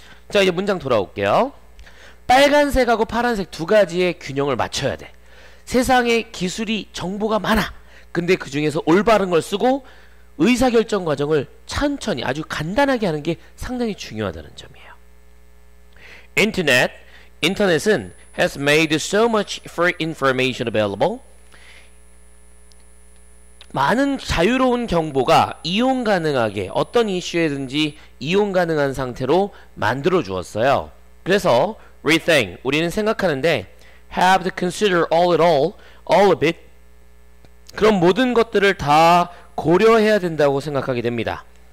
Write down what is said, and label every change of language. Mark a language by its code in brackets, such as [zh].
[ko] 자 이제 문장 돌아올게요. 빨간색하고 파란색 두 가지의 균형을 맞춰야 돼. 세상에 기술이 정보가 많아. 근데 그 중에서 올바른 걸 쓰고 의사결정 과정을 천천히 아주 간단하게 하는 게 상당히 중요하다는 점이에요. 인터넷은 [en] has made so much free information available. [ko] 많은 자유로운 정보가 이용 가능하게 어떤 이슈에든지 이용 가능한 상태로 만들어 주었어요. 그래서 rethink 우리는 생각하는데 [en] have to consider all of it [ko] 그런 모든 것들을 다 고려해야 된다고 생각하게 됩니다.